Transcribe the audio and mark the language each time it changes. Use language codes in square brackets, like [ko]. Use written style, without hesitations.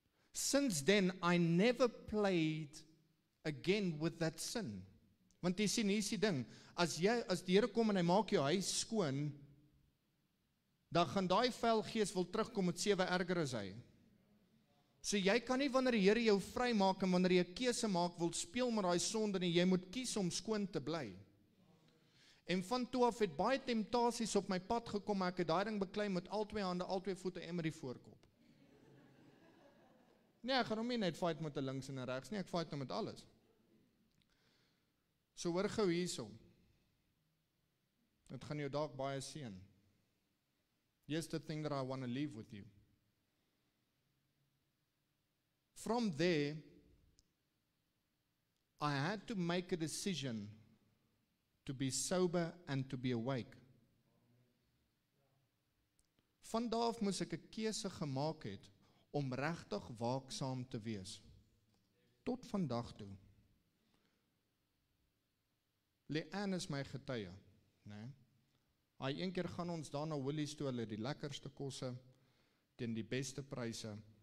[en] Since then I never played again with that sin. [af] Want jy sien hier is die ding, as die Here kom en hy maak jou huis skoon, dan gaan daai vuil gees wil terugkom met sewe erger as hy. So jy kan nie wanneer die Here jou vry maak en wanneer jy 'n keuse maak wil speel met daai sonde nie, jy moet kies om skoon te bly. En van toe af het baie temptasies op my pad gekom, maar ek het daai ding beklei met al twee hande, al twee voete en met die voorkop. Nee, ek gaan hom nie net fight met 'n links en 'n regs nie, ek fight hom met alles. So hoor gou hierson. Dit gaan jou dalk baie seën. [en] Here's the thing that I want to leave with you. From there, I had to make a decision to be sober and to be awake. [af] Vandaar moes ek 'n keuse gemaak het om regtig waaksaam te wees. Tot vandag toe. Leanne is my getuie, né? Hy een keer gaan ons daar na Willie's toe, hulle die lekkerste kosse teen die beste pryse.